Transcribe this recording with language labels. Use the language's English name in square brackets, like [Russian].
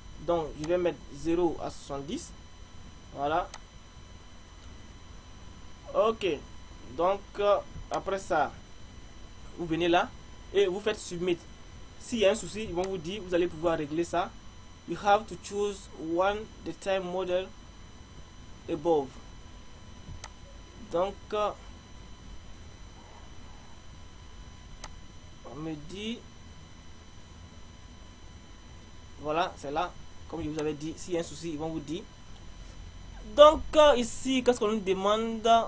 [French] Donc, je vais mettre 0 à 70. Voilà. Ok, donc après ça, vous venez là et vous faites submit. S'il y a un souci, ils vont vous dire, vous allez pouvoir régler ça. [English] You have to choose one the time model above. [French] Donc, on me dit, voilà, c'est là. Comme je vous avais dit, s'il y a un souci, ils vont vous dire. Donc, ici, qu'est-ce qu'on nous demande?